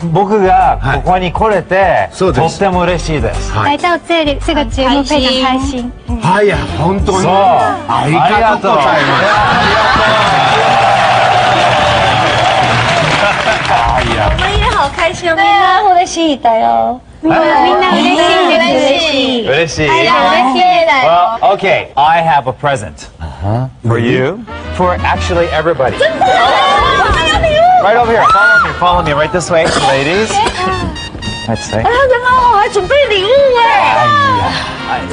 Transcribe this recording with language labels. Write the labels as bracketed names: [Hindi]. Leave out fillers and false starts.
[Japanese] 僕がここに来れて、はい、とっても嬉しいです。 [Chinese] 来到这里，这个节目非常开心。 [Japanese] はい、本当に。ありがとうございます。ありがとうございます。 [Chinese] 我们也好开心，对啊，我们 [Japanese] 嬉しいだよ。みんな嬉しい、嬉しい。 [English] Well, okay, I have a present for you, for actually everybody. [Chinese] 真的？我们有礼物。 [English] Right over here, follow me, right this way, ladies. Let's see. [Chinese] 啊，怎么我还准备礼物哎？